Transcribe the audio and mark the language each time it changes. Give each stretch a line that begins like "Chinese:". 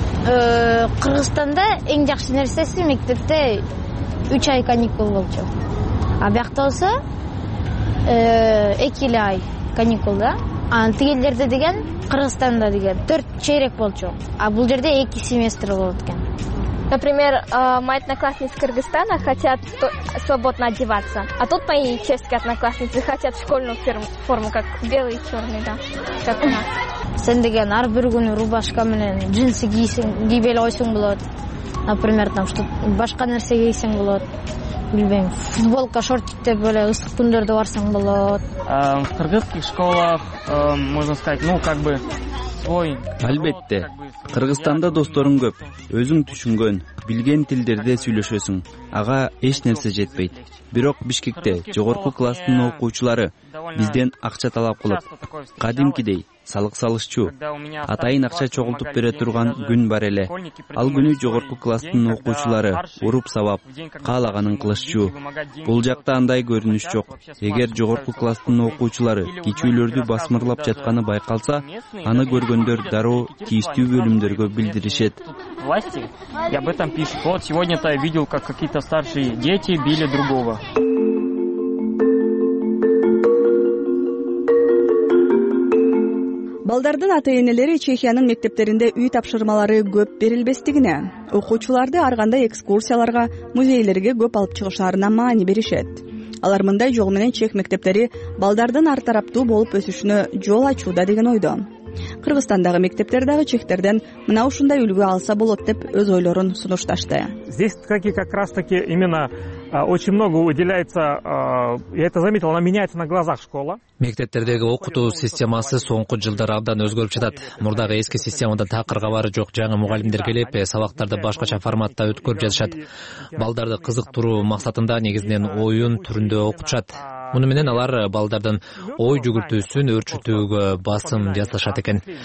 Kyrgyz: Кыргызстанда эң жакшы нерсеси мектепте 3 ай каникул болчу. А биякта болсо 2 эле ай каникул да. Анан тигилерде деген Кыргызстанда деген 4 чейрек болчу. А бул жерде 2 семестр болот экен.
Russian: Например, мои одноклассницы из Кыргызстана хотят свободно одеваться. А тут мои чешские одноклассницы хотят школьную форму, как белый и черный, да, как у нас.
Kyrgyz: Сен деген ар бир күнү рубашка менен джинсы кийсең эле ойсоң болот.
Russian: Например, там что
Kyrgyz: башка нерсе кийсең болот. Билбейм. Футболка, шортиктер эле ысык күндөрдө барсаң болот.
Russian: Кыргызский школа, можно сказать, ну как бы свой.
Kyrgyz: Албетте. Кыргызстанда досторун көп. Өзүң түшүнгөн, билген тилдерде сүйлөшөсүң. Ага эч нерсе жетпейт. Бирок Бишкекте жогорку класстын окуучулары бизден акча талап кылат. Кадимкидей салык салышчу. Атайын акча чогултуп бере турган күн бар эле. Ал күнү жогорку класстын окуучулары уруп сабап, каалаганын кылышчу. Бул жакта андай көрүнүш жок. Эгер жогорку класстын окуучулары кичүүлөрдү басмырлап жатканы байкалса, аны көргөндөр дароо тийиштүү бөлүмдөргө билдиришет.
Russian: Власти. Я об этом пишу. Вот сегодня-то я видел, как какие-то старшие дети били другого.
Kyrgyz: Балдардын ата-энелери Чехиянын мектептеринде үй тапшырмалары көп берилбестигине, окуучуларды ар кандай экскурсияларга, музейлерге көп алып чыгышарына маани беришет. Алар мындай жол менен чех мектептери балдардын ар тараптуу болуп өсүшүнө жол ачууда деген ойдо. Кыргызстандагы мектептер дагы чехтерден мына ушундай үлгү алса болот деп өз ойлорун сунушташты.
Russian: Здесь как раз таки именно очень много уделяется, я это заметил, она меняется на глазах школа.
Kyrgyz: Мектептердеги окутуу системасы соңку жылдары абдан өзгөрүп жатат. Мурдагы эски системада такыр кабары жок, жаңы мугалимдер келип, сабактарды башкача форматта өткөрүп жатышат. Балдарды кызыктыруу максатында негизинен оюн түрүндө окутушат. Муну менен алар балдардын ой жүгүртүүсүн өөрчүтүүгө басым жасашат экен.